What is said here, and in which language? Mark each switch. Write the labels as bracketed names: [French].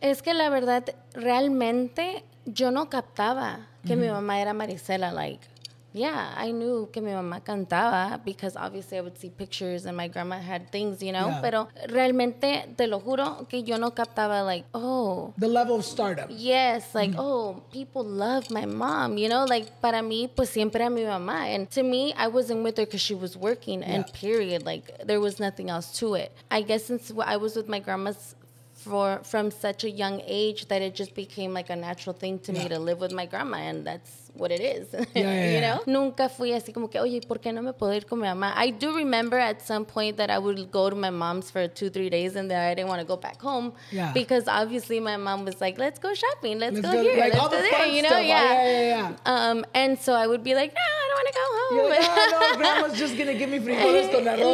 [Spanish] Es que la verdad, realmente, yo no captaba que mi mamá era Marisela. [English] Like, yeah, I knew [Spanish] que mi mamá cantaba [English] because obviously I would see pictures and my grandma had things, you know? Yeah. [Spanish] Pero realmente, te lo juro, que yo no captaba [English] like, oh. The level of stardom. Yes, like, oh, people love my mom, you know? [Spanish] Like, para mí, pues siempre a mi mamá. [English] And to me, I wasn't with her because she was working and period. Like, there was nothing else to it. I guess since I was with my grandma's from such a young age that it just became like a natural thing to me to live with my grandma, and that's what it is. You know? [Spanish] Nunca fui así como que, oye, ¿por qué no me puedo ir con mi mamá? [English] I do remember at some point that I would go to my mom's for 2-3 days and then I didn't want to go back home because obviously my mom was like, let's go shopping, let's go here, let's go there. And so I would be like, no, I don't want to go home. Yeah, no, grandma's just going to give me [Spanish] frijoles con arroz